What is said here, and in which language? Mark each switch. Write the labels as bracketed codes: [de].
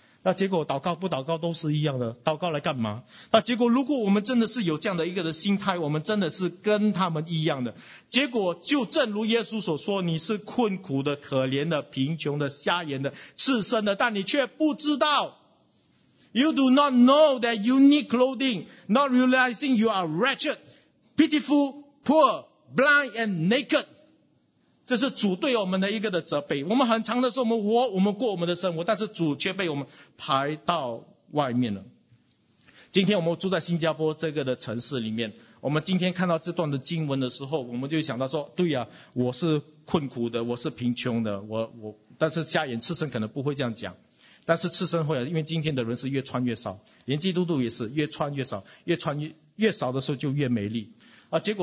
[zh] 那结果祷告不祷告都是一样的，祷告来干嘛？那结果如果我们真的是有这样的一个的心态，我们真的是跟他们一样的，结果就正如耶稣所说，你是困苦的、可怜的、贫穷的、瞎眼的、赤身的，但你却不知道。 [en] You do not know that you need clothing, not realizing you are wretched, pitiful, poor, blind and naked. [zh] 这是主对我们的一个的责备。我们很长的时候我们过我们的生活，但是主却被我们排到外面了。今天我们住在新加坡这个的城市里面，我们今天看到这段的经文的时候，我们就想到说，对呀，我是困苦的，我是贫穷的，我但是瞎眼赤身可能不会这样讲，但是赤身会，因为今天的人是越穿越少，连基督徒也是越穿越少，越穿 越少的时候就越美丽啊。